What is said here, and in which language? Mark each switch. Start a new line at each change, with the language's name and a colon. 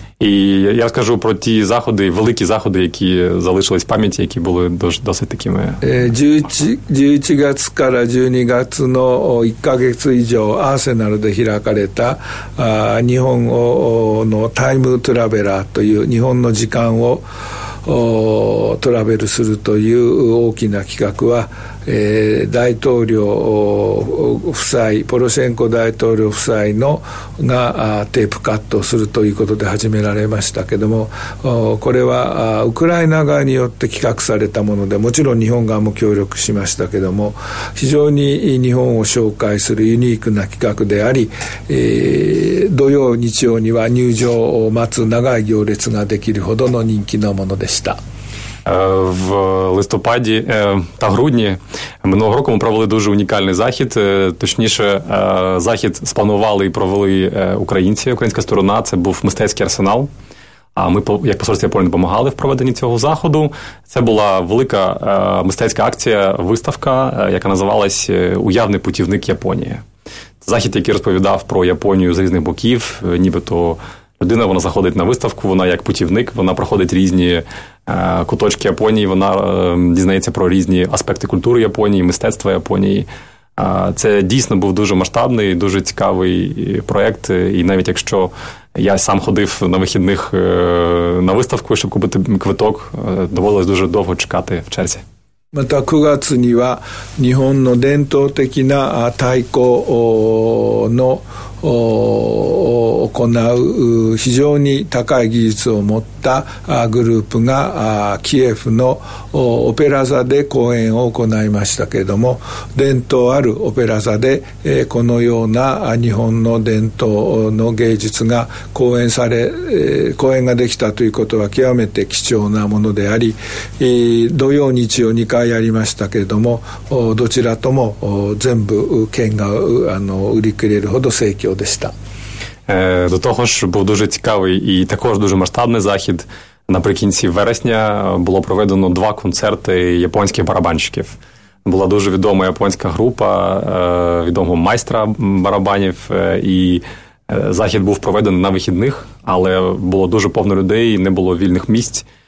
Ukrainian: І я скажу про ті заходи, великі заходи, які залишились в пам'яті, які були досить такими.
Japanese: 11月から12月の1ヶ月以上アーセナルで開かれた日本のタイムトラベラーという日本の時間をトラベルするという大きな企画は大統領夫妻ポロシェンコ大統領夫妻のがテープカットするということで始められましたけども、これはウクライナ側によって企画されたもので、もちろん日本側も協力しましたけども、非常に日本を紹介するユニークな企画であり、土曜日曜には入場を待つ長い行列ができるほどの人気のものでした。
Ukrainian: В листопаді та грудні минулого року ми провели дуже унікальний захід. Точніше, захід спланували і провели українці, українська сторона. Це був мистецький арсенал. А ми, як посольство Японії, допомагали в проведенні цього заходу. Це була велика мистецька акція, виставка, яка називалась «Уявний путівник Японії». Це захід, який розповідав про Японію з різних боків, нібито людина, вона заходить на виставку, вона як путівник, вона проходить різні куточки Японії, вона дізнається про різні аспекти культури Японії, мистецтва Японії. Це дійсно був дуже масштабний, дуже цікавий проєкт. І навіть якщо я сам ходив на вихідних на виставку, щоб купити квиток, доводилось дуже довго чекати в черзі.
Japanese: Мета 9月 には日本の伝統的な太鼓の行う非常に高い技術を持ったグループがキエフのオペラ座で公演を行いましたけれども、伝統あるオペラ座でこのような日本の伝統の芸術が公演ができたということは極めて貴重なものであり、土曜日曜2回やりましたけれども、どちらとも全部券が売り切れるほど盛況でした。
Ukrainian: До того ж, був дуже цікавий і також дуже масштабний захід. Наприкінці вересня було проведено два концерти японських барабанщиків. Була дуже відома японська група, відомого майстра барабанів, і захід був проведений на вихідних, але було дуже повно людей, не було вільних місць.